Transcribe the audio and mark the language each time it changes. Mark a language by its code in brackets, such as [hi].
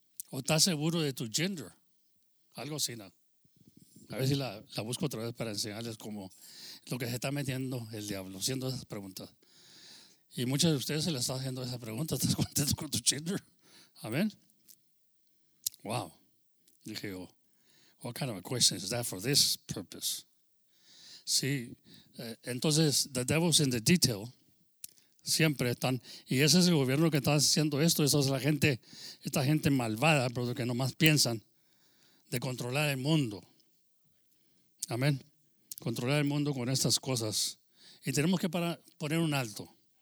[es] ¿O estás seguro de tu gender? Algo así, ¿no? A ver si la busco otra vez para enseñarles cómo lo que se está metiendo el diablo, haciendo esas preguntas. Y muchos de ustedes se les está haciendo esa pregunta, ¿estás contento con tu gender? ¿Amén? Wow. Dije yo, [en] what kind of a question is that for this purpose? [es] Sí, entonces, [en] the devil's in the detail. [es] Siempre están, y ese es el gobierno que está haciendo esto, esa es la gente, esta gente malvada, pero que nomás piensan de controlar el mundo. Amén. Controlar el mundo con estas cosas. Y tenemos que poner un alto.